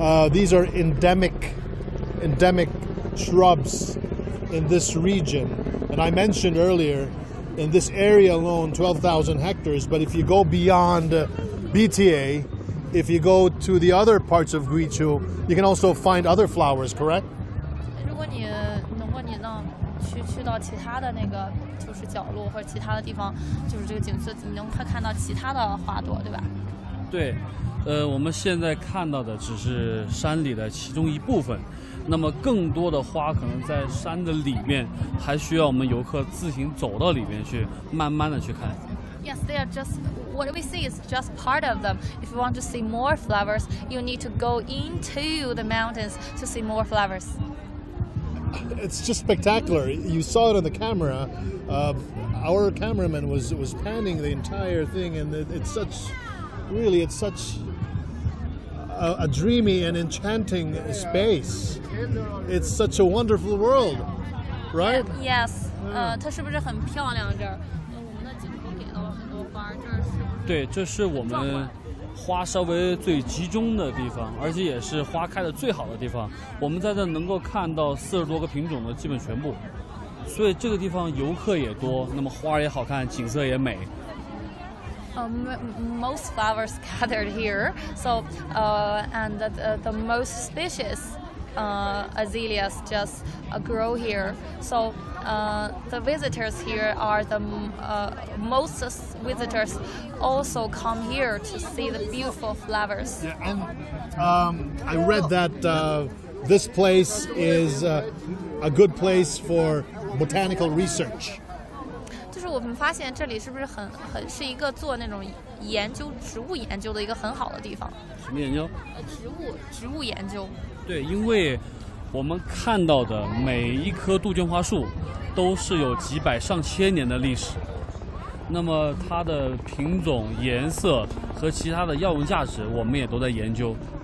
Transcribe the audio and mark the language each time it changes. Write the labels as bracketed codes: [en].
[en] These are endemic shrubs in this region. And I mentioned earlier, in this area alone, 12,000 hectares. But if you go beyond BTA,If you go to the other parts of Guizhou, you can also find other flowers, correct? [zh] 如果你能去到其他的那个就是角落或者其他的地方，就是这个景色，你能看到其他的花朵，对吧？对，我们现在看到的只是山里的其中一部分，那么更多的花可能在山的里面，还需要我们游客自行走到里面去，慢慢的去看。 [en] Yes, they are just, what we see is just part of them. If you want to see more flowers, you need to go into the mountains to see more flowers. It's just spectacular. You saw it on the camera. Our cameraman was panning the entire thing, and it's such a dreamy and enchanting space. It's such a wonderful world, right? Yes. Yeah. [zh] 它是不是很漂亮这儿？对，这是我们花稍微最集中的地方，而且也是花开的最好的地方。我们在这能够看到40多个品种的基本全部，所以这个地方游客也多，那么花也好看，景色也美。 [en] Most flowers gathered here, so and the most species azaleas just grow here, so. The visitors here are the most visitors also come here to see the beautiful flowers. Yeah, and I read that this place is a good place for botanical research. [zh] 就是我们发现这里是不是很是一个做那种研究植物研究的一个很好的地方？什么研究？植物研究。对，因为我们看到的每一棵杜鹃花树。都是有几百上千年的历史，那么它的品种、颜色和其他的药用价值，我们也都在研究。